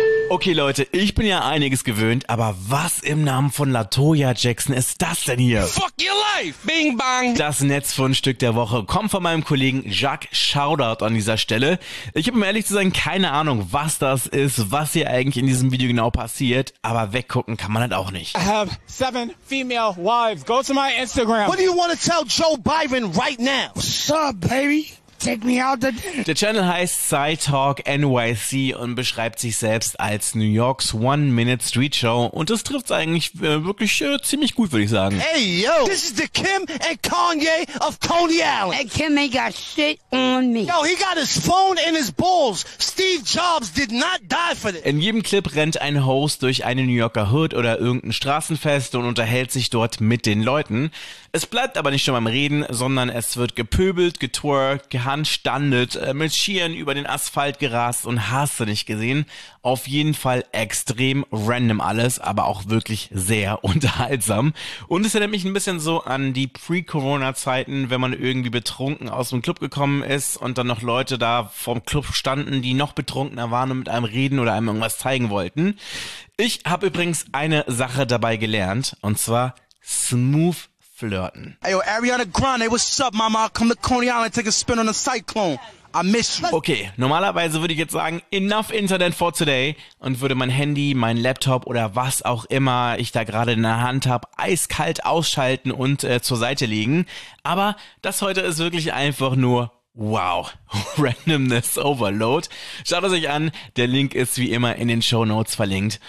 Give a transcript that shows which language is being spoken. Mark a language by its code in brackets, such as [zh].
[de] Okay, Leute, ich bin ja einiges gewöhnt, aber was im Namen von LaToya Jackson ist das denn hier? [en] Fuck your life! Bing bang! [de] Das Netzfundstück der Woche kommt von meinem Kollegen Jacques Shoutout an dieser Stelle. Ich habe, um ehrlich zu sein, keine Ahnung, was das ist, was hier eigentlich in diesem Video genau passiert, aber weggucken kann man halt auch nicht. [en] I have 7 female wives. Go to my Instagram. What do you want to tell Joe Biden right now? What's up, baby? Take me out the... [de] Der Channel heißt SciTalk NYC und beschreibt sich selbst als New Yorks One-Minute-Street-Show. Und das trifft's eigentlich wirklich ziemlich gut, würde ich sagen. [en] Hey, yo! This is the Kim and Kanye of Coney Island. And Kim ain't got shit on me. Yo, he got his phone in his balls. Steve Jobs did not die for this. [de] In jedem Clip rennt ein Host durch eine New Yorker Hood oder irgendein Straßenfest und unterhält sich dort mit den Leuten. Es bleibt aber nicht nur beim Reden, sondern es wird gepöbelt, getwerkt, gehandstandet, mit Skiern über den Asphalt gerast und hast du nicht gesehen. Auf jeden Fall extrem random alles, aber auch wirklich sehr unterhaltsam. Und es erinnert mich ein bisschen so an die Pre-Corona-Zeiten, wenn man irgendwie betrunken aus dem Club gekommen ist und dann noch Leute da vorm Club standen, die noch betrunkener waren und mit einem reden oder einem irgendwas zeigen wollten. Ich habe übrigens eine Sache dabei gelernt, und zwar smooth flirten. [en] Hey, yo, Ariana Grande, what's up, mama? I'll come to Coney Island, take a spin on a cyclone. I miss you. [de] Okay, normalerweise würde ich jetzt sagen, [en] enough Internet for today [de] und würde mein Handy, mein Laptop oder was auch immer ich da gerade in der Hand habe, eiskalt ausschalten und zur Seite legen. Aber das heute ist wirklich einfach nur wow. Randomness Overload. Schaut es euch an, der Link ist wie immer in den Shownotes verlinkt.